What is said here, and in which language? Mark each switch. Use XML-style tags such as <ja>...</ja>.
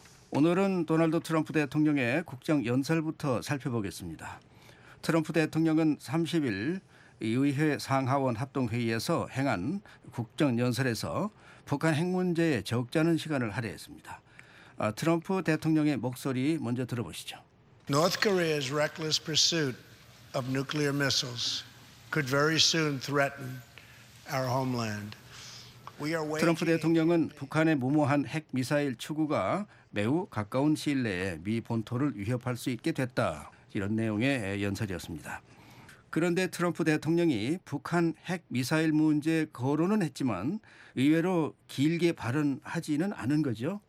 <ko>오늘은 도널드 트럼프 대통령의 국정 연설부터 살펴보겠습니다. 트럼프 대통령은 30일 의회 상하원 합동회의에서 행한 국정연설에서 북한 핵 문제에 적잖은 시간을 할애했습니다. 트럼프 대통령의 목소리 먼저 들어보시죠.</ko> <en>North Korea's reckless pursuit of nuclear missiles could very soon threaten our homeland.</en> <ko>트럼프 대통령은 북한의 무모한 핵미사일 추구가 매우 가까운 시일 내에 미 본토를 위협할 수 있게 됐다. 이런 내용의 연설이었습니다. 그런데 트럼프 대통령이 북한 핵미사일 문제 거론은 했지만 의외로 길게 발언하지는 않은 거죠?</ko>